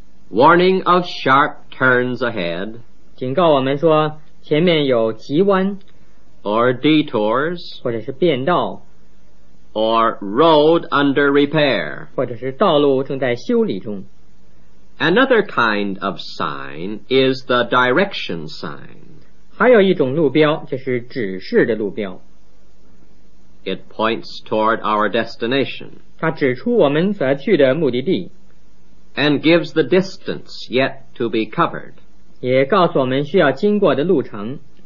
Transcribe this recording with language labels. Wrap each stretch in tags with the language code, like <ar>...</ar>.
<en>Warning of sharp turns ahead.</en> <zh>警告我们说前面有急弯。</zh> <en>Or detours,</en> <zh>或者是变道。</zh> <en>Or road under repair,</en> <zh>或者是道路正在修理中。</zh> <en>Another kind of sign is the direction sign.</en> <zh>还有一种路标，就是指示的路标。</zh> <en>It points toward our destination.</en> <zh>它指出我们所要去的目的地。</zh> <en>And gives the distance yet to be covered.</en> <zh>也告诉我们需要经过的路程。</zh>